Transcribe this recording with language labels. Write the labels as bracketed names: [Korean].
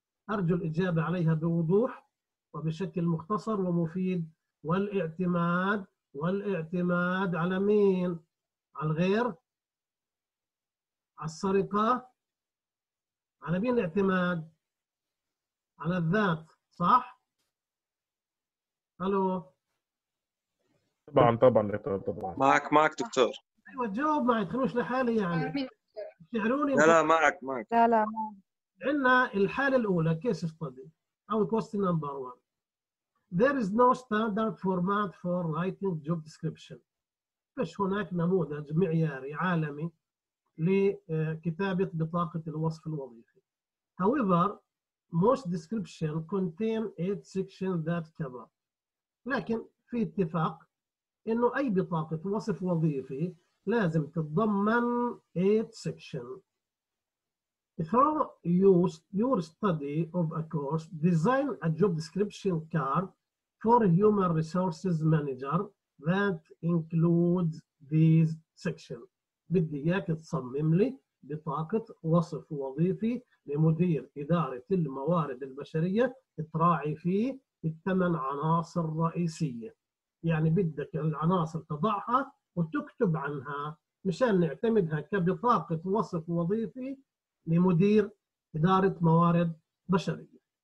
[Arabic] أرجو الإجابة عليها بوضوح وبشكل مختصر ومفيد، والاعتماد على مين؟ على الغير؟ على السرقة؟ على مين الاعتماد؟ على الذات، صح؟ ألو؟ طبعا معك دكتور. أيوة جاوب معي، تخلوش لحالي يعني. تشعروني لا معك. لا عندنا الحالة الأولى [English] case study [Arabic] أو [English] question number one. There is no standard format for writing job description. [Arabic] فش هناك نموذج معياري عالمي لكتابة بطاقة الوصف الوظيفي. [English] However, most description contain 8 sections that cover. [Arabic] لكن في اتفاق إنه أي بطاقة وصف وظيفي لازم تتضمن [English] 8 sections. If you use your study of a course, design a job description card for a human resources manager that includes these sections. [Arabic] بدي إياك تصمم لي بطاقة وصف وظيفي لمدير إدارة الموارد البشرية تراعي فيه الثمان عناصر الرئيسية. يعني بدك العناصر تضعها وتكتب عنها مشان نعتمدها كبطاقة وصف وظيفي لمدير إدارة موارد بشرية.